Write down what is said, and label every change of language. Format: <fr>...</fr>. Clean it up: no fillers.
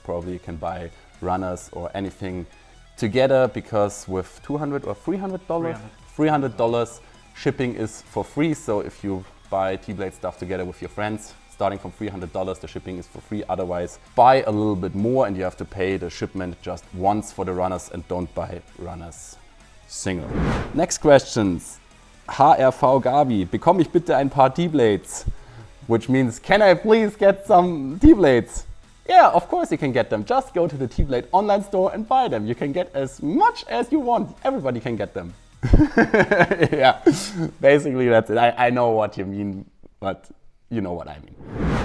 <en>Probably you can buy runners or anything together, because with $300 shipping is for free. So if you buy tblade stuff together with your friends, starting from $300, the shipping is for free. Otherwise, buy a little bit more and you have to pay the shipment just once for the runners, and don't buy runners single. Next questions.</en> <de>HRV Gabi, bekomme ich bitte ein paar tblades?</de> <en>Which means, can I please get some tblades? Yeah, of course you can get them. Just go to the tblade online store and buy them. You can get as much as you want. Everybody can get them. Yeah, basically that's it. I know what you mean, but you know what I mean.</en>